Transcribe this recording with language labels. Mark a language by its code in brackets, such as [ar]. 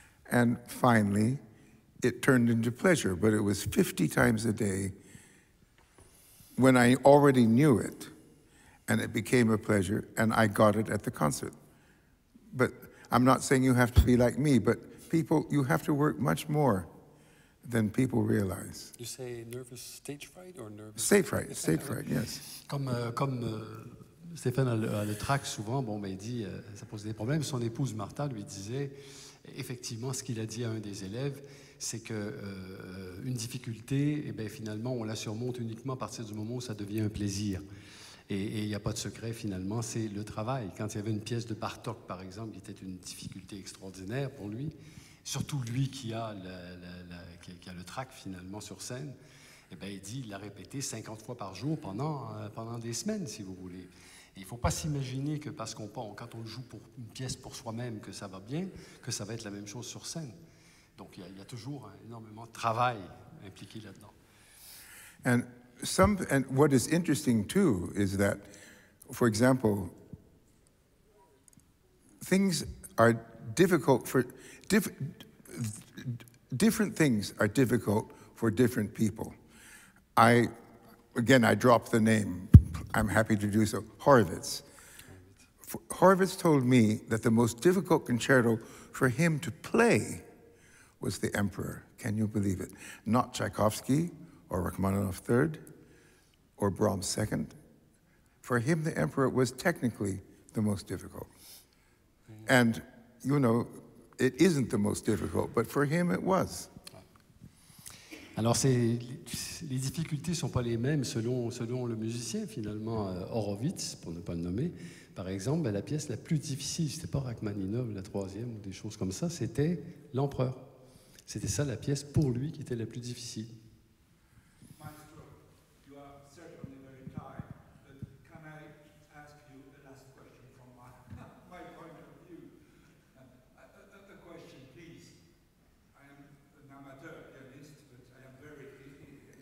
[en] And finally, it turned into pleasure, but it was 50 times a day when I already knew it, and it became a pleasure, and I got it at the concert. But I'm not saying you have to be like me, but people, you have to work much more than people realize. You say nervous stage fright or nervous... Stage fright, yes. [fr] Comme Stéphane le traque souvent, bon, mais il dit, ça pose des problèmes. Son épouse Martha lui disait, effectivement, ce qu'il a dit à un des élèves, c'est que une difficulté, eh ben, finalement, on la surmonte uniquement à partir du moment où ça devient un plaisir. Et il n'y a pas de secret, finalement, c'est le travail. Quand il y avait une pièce de Bartok, par exemple, qui était une difficulté extraordinaire pour lui, surtout lui qui a le trac, finalement, sur scène, eh ben, il dit, il l'a répété 50 fois par jour pendant des semaines, si vous voulez. Il ne faut pas s'imaginer que parce qu'on pense, quand on joue pour une pièce pour soi-même, que ça va bien, que ça va être la même chose sur scène. Donc il y a toujours énormément de travail impliqué là-dedans. [en] And what is interesting too is that, for example, things are difficult for different things are difficult for different people. I drop the name. I'm happy to do so. Horowitz. Horowitz told me that the most difficult concerto for him to play was The Emperor. Can you believe it? Not Tchaikovsky or Rachmaninoff III or Brahms II. For him, The Emperor was technically the most difficult. And, you know, it isn't the most difficult, but for him it was. [fr] Alors, les difficultés ne sont pas les mêmes selon le musicien, finalement. Horowitz, pour ne pas le nommer, par exemple, la pièce la plus difficile, ce n'était pas Rachmaninov, la troisième, ou des choses comme ça, c'était L'Empereur. C'était ça, la pièce, pour lui, qui était la plus difficile. [en] Maestro, you are certainly very tired, but can I ask you a last question from my point of view? A question, please. I am an amateur pianist, but I am very interested.